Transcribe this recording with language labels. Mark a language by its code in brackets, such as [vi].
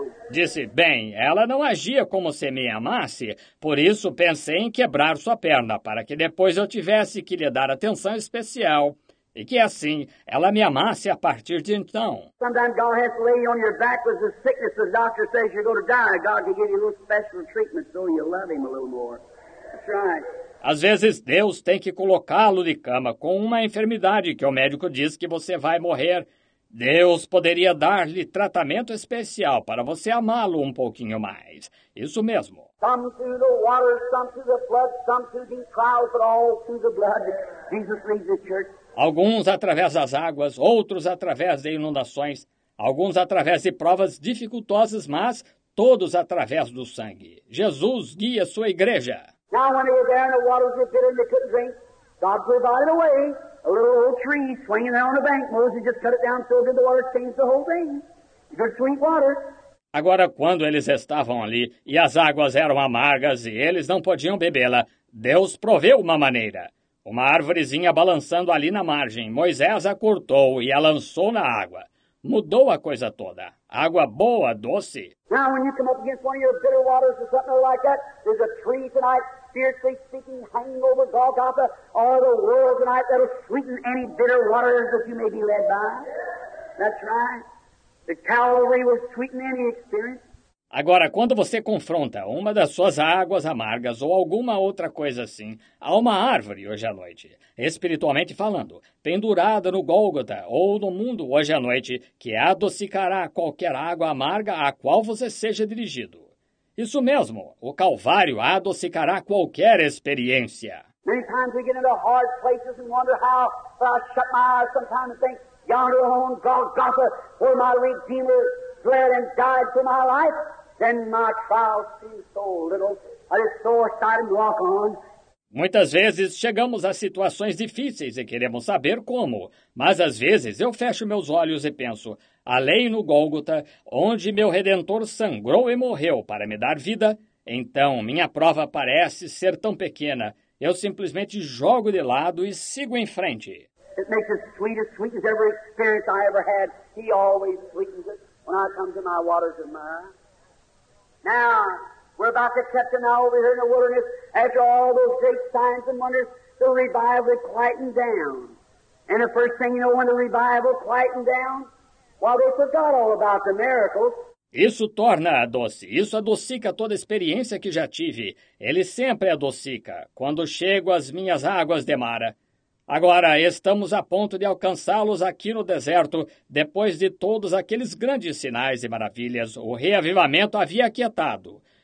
[pt] Disse, bem, ela não agia como se me amasse, por isso pensei em quebrar sua perna para que depois eu tivesse que lhe dar atenção especial. E que assim, ela me amasse a partir de então. [en] Sometimes God has to lay you on your back with the sickness the doctor says you're going to die. God can give you a little special treatment so you love him a little more. That's right. [pt] Às vezes Deus tem que colocá-lo de cama com uma enfermidade que o médico diz que você vai morrer. Deus poderia dar-lhe tratamento especial para você amá-lo um pouquinho mais. Isso mesmo. [en] Some through the water, some through the flood, some through the trials, but all through the blood. Jesus leads the church. [pt] Alguns através das águas, outros através de inundações, alguns através de provas dificultosas, mas todos através do sangue. Jesus guia sua igreja. [en] Now when they were there and the waters were bitter and they couldn't drink, God provided a way, a little old tree swinging there on the bank. Moses just cut it down, filled in the water, changed the whole thing. Good sweet water. [pt] Agora quando eles estavam ali e as águas eram amargas e eles não podiam bebê-la, Deus proveu uma maneira. Uma árvorezinha balançando ali na margem. Moisés a cortou e a lançou na água. Mudou a coisa toda. Água boa, doce. [en] Now, when you come up against one of your bitter waters or something like that, there's a tree tonight, fiercely speaking, hanging over Golgotha, all the world tonight that'll sweeten any bitter waters that you may be led by. That's right. The Calvary will sweeten any experience. [pt] Agora, quando você confronta uma das suas águas amargas ou alguma outra coisa assim a uma árvore hoje à noite, espiritualmente falando, pendurada no Gólgota ou no mundo hoje à noite, que adocicará qualquer água amarga a qual você seja dirigido. Isso mesmo, o Calvário adocicará qualquer experiência. [en] Many times we get into hard places and wonder how, but I shut my eyes sometimes and think, yonder on Golgotha, where my Redeemer bled and died for my life, then my trials seem so little, I just so excited and walk on. [pt] Muitas vezes chegamos a situações difíceis e queremos saber como, mas às vezes eu fecho meus olhos e penso, além no Gólgota, onde meu Redentor sangrou e morreu para me dar vida, então minha prova parece ser tão pequena, eu simplesmente jogo de lado e sigo em frente. [en] It makes the sweetest, sweetest ever experience I ever had. He always sweetens it when I come to my waters of Mara. Now, we're about to catch him now over here in the wilderness. After all those great signs and wonders, the revival had quietened down. And the first thing you know when the revival quietened down, well, they forgot all about the miracles. [pt] Isso torna doce, isso adocica toda a experiência que já tive. Ele sempre adocica quando chego às minhas águas de Mara. Agora, estamos a ponto de alcançá-los aqui no deserto, depois de todos aqueles grandes sinais e maravilhas, o reavivamento havia aquietado.